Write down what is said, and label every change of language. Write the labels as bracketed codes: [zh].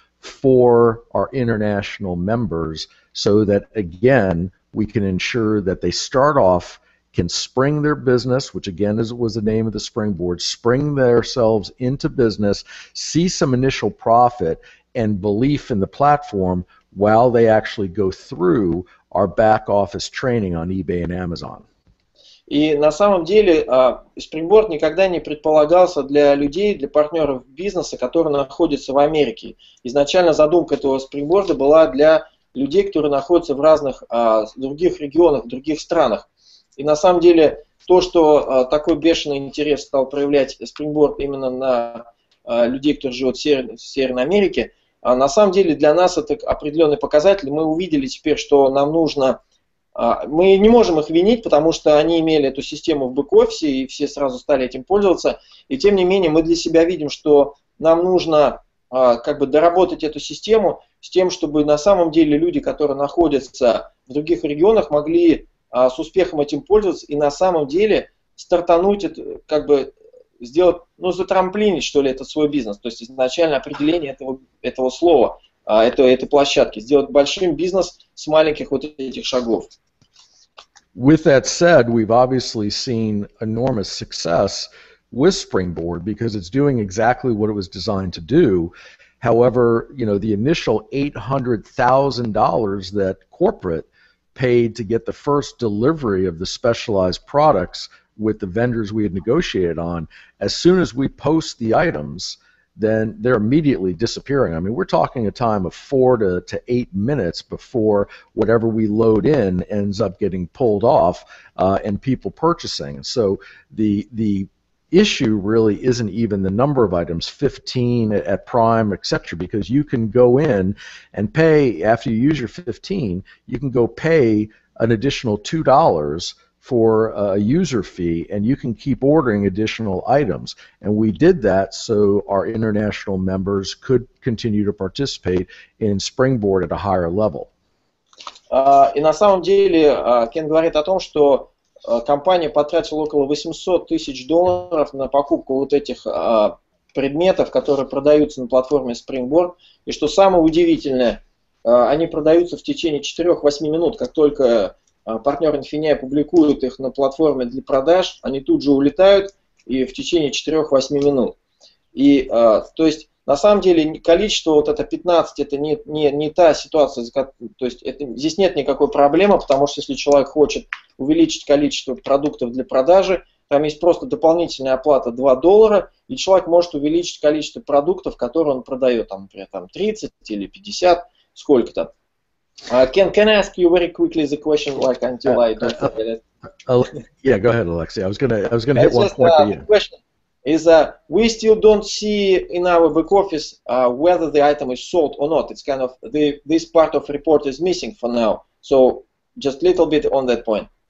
[en] for our international members, so that again we can ensure that they start off, can spring their business, which again is was the name of the Springboard, spring themselves into business, see some initial profit and belief in the platform while they actually go through our back office training on eBay and Amazon. [ru] И на самом деле Springboard никогда не предполагался для людей, для партнеров бизнеса, которые находятся в Америке. Изначально задумка этого Springboard была для людей, которые находятся в разных других регионах, в других странах. И на самом деле то, что такой бешеный интерес стал проявлять Springboard именно на людей, которые живут в Северной Америке, на самом деле для нас это определенный показатель. Мы увидели теперь, что нам нужно... Мы не можем их винить, потому что они имели эту систему в бэк-офисе, и все сразу стали этим пользоваться. И тем не менее, мы для себя видим, что нам нужно как бы доработать эту систему с тем, чтобы на самом деле люди, которые находятся в других регионах, могли с успехом этим пользоваться и на самом деле стартануть, как бы сделать, ну, затрамплинить, что ли, этот свой бизнес. То есть изначально определение этого слова, этой площадки, сделать большим бизнес с маленьких вот этих шагов. [en] With that said, we've obviously seen enormous success with Springboard because it's doing exactly what it was designed to do. However, you know, the initial $800,000 that corporate paid to get the first delivery of the specialized products with the vendors we had negotiated on, as soon as we post the items, then they're immediately disappearing. I mean, we're talking a time of 4 to 8 minutes before whatever we load in ends up getting pulled off and people purchasing. So the issue really isn't even the number of items, 15 at Prime, etc., because you can go in and pay, after you use your 15, you can go pay an additional $2 for a user fee, and you can keep ordering additional items. And we did that so our international members could continue to participate in Springboard at a higher level. [ru] И на самом деле, Кен говорит о том, что компания потратила около 800 тысяч долларов на покупку вот этих предметов, которые продаются на платформе Springboard. И что самое удивительное, они продаются в течение 4-8 минут, как только партнер Infinia публикует их на платформе для продаж, они тут же улетают и в течение 4-8 минут. И то есть на самом деле количество вот это 15, это не та ситуация, то есть здесь нет никакой проблемы, потому что если человек хочет увеличить количество продуктов для продажи, там есть просто дополнительная оплата $2, и человек может увеличить количество продуктов, которые он продает, там, например, там 30 или 50, сколько-то. [en] Can I ask you very quickly the question, like, until I don't forget it? Yeah, go ahead, Alexei. I was gonna hit one point for you. The question is, we still don't see in our back office whether the item is sold or not. It's kind of this part of report is missing for now. So just a little bit on that point.